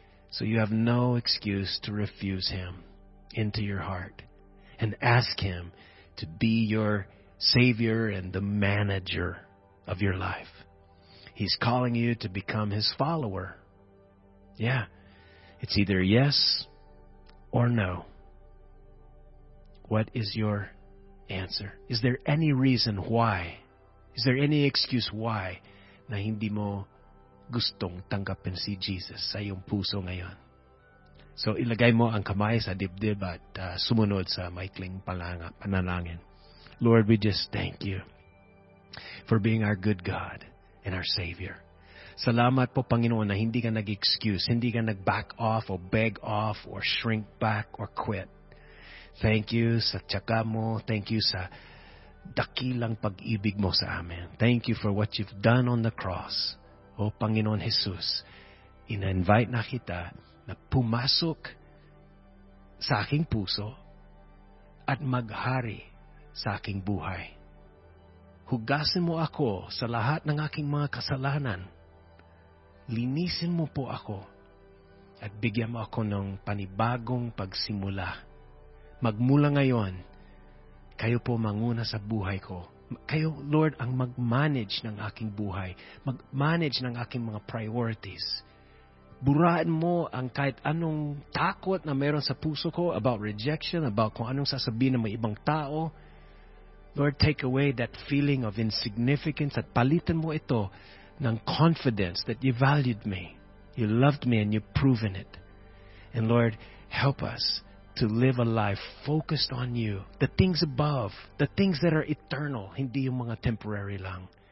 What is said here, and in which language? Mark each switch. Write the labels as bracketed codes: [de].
[en] So you have no excuse to refuse Him into your heart and ask Him to be your Savior and the manager of your life. He's calling you to become His follower. Yeah, it's either yes or no. What is your answer? Is there any reason why Is there any excuse why [tl] na hindi mo gustong tanggapin si Jesus sa iyong puso ngayon? So ilagay mo ang kamay sa dibdib at sumunod sa maikling panalangin. [en] Lord, we just thank you for being our good God and our Savior. [tl] Salamat po, Panginoon, na hindi ka nag-excuse, hindi ka nag-back off [en] or beg off or shrink back or quit. Thank you [tl] sa tiyaga mo. Thank you sa dakilang pag-ibig mo sa amin. [en] Thank you for what you've done on the cross. [tl] O Panginoon Jesus, ina-invite na kita na pumasok sa aking puso at maghari sa aking buhay. Hugasin mo ako sa lahat ng aking mga kasalanan. Linisin mo po ako at bigyan mo ako ng panibagong pagsimula. Magmula ngayon, kayo po manguna sa buhay ko. Kayo, Lord, ang mag-manage ng aking buhay. Mag-manage ng aking mga priorities. Burahin mo ang kahit anong takot na meron sa puso ko [en] about rejection, [tl] about kung anong sasabihin ng mga ibang tao. [en] Lord, take away that feeling of insignificance [tl] at palitan mo ito ng [en] confidence that you valued me, you loved me, and you've proven it. And Lord, help us to live a life focused on you. The things above, the things that are eternal, [tl] hindi yung mga [en] temporary lang.